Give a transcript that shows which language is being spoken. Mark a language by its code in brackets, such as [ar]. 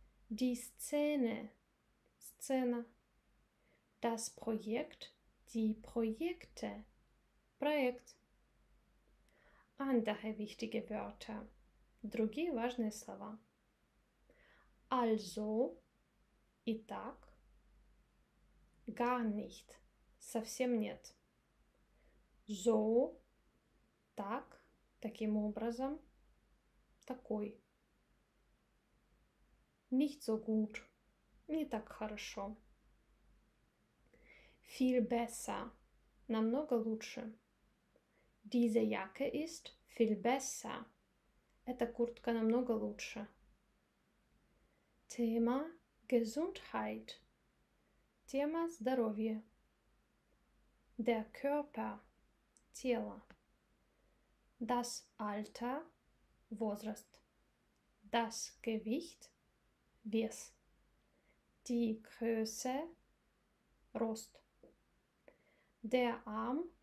[de] Die Szene, [ru] сцена. [de] Das Projekt, die Projekte, [ru] проект. [de] Andere wichtige Wörter, [ru] другие важные слова. [de] Also, [ru] и так. [de] Gar nicht, [ru] совсем нет. [de] So, [ru] так, таким образом, такой. [de] Nicht so gut, [ru] не так хорошо. [de] Viel besser, [ru] намного лучше. [de] Diese Jacke ist viel besser. [ru] Эта куртка намного лучше. [de] Thema Gesundheit. [ru] Thema здоровье. [de] Der Körper. [ru] Тело. [de] Das Alter. [ru] Возраст. [de] Das Gewicht. [ru] Вес. [de] Die Größe. [ru] Рост. [de] Der Arm.